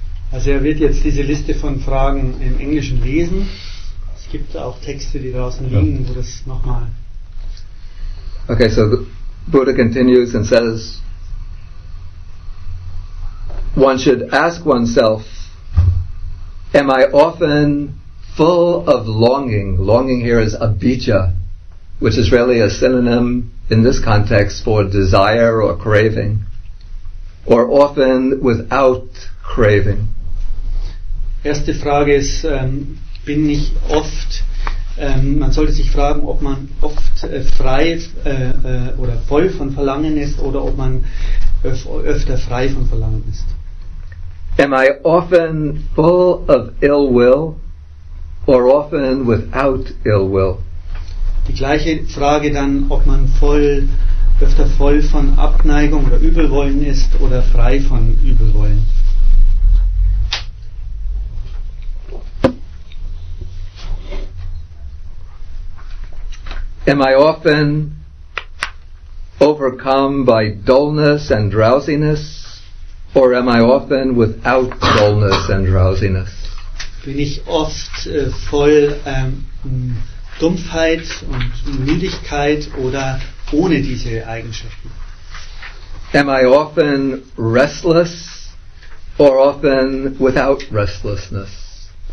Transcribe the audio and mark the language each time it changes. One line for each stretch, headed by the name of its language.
German: Also wird jetzt diese Liste von Fragen im Englischen lesen. Es gibt auch Texte, die draußen liegen, wo das nochmal.
English: Okay, so the Buddha continues and says, one should ask oneself, am I often full of longing? Longing here is abhijja, which is really a synonym in this context for desire or craving, or often without craving.
German: Erste Frage ist, bin ich oft, man sollte sich fragen, ob man oft frei oder voll von Verlangen ist oder ob man öfter frei von Verlangen ist.
English: Am I often full of ill will or often without ill will?
German: Die gleiche Frage dann, ob man öfter voll von Abneigung oder Übelwollen ist oder frei von Übelwollen.
English: Am I often overcome by dullness and drowsiness? Or am I often without dullness and drowsiness?
German: Bin ich oft voll Dumpfheit und Müdigkeit oder ohne diese Eigenschaften?
English: Am I often restless or often without restlessness?